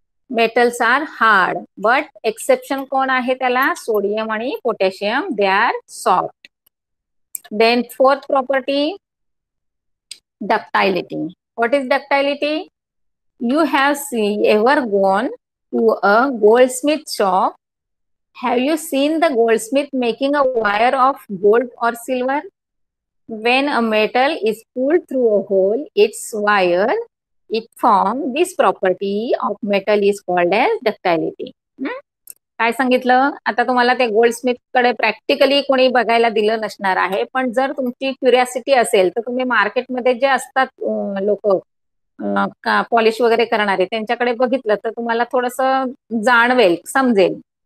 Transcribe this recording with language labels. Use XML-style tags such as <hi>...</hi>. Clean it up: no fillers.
<en>metals are hard but exception</en> <mr>कोण आहे त्याला?</mr> <en>Sodium आणि potassium, they are soft. Then fourth property ductility. What is ductility? You have see ever gone to a gold smith shop? Have you seen the gold smith making a wire of gold or silver? When a metal is pulled through a hole it's wire it form this property of metal is called as ductility.</en> <mr>काय सांगितलं? आता तुम्हाला ते gold Smith कडे practically कोणी बघायला दिलं नसणार आहे, पण जर तुमची क्युरियासिटी असेल तर तुम्ही मार्केटमध्ये जे असतात लोक पॉलिश वगैरे करणारे त्यांच्याकडे बघितलं तर तुम्हाला थोडस जाणवेल, समजेल.</mr>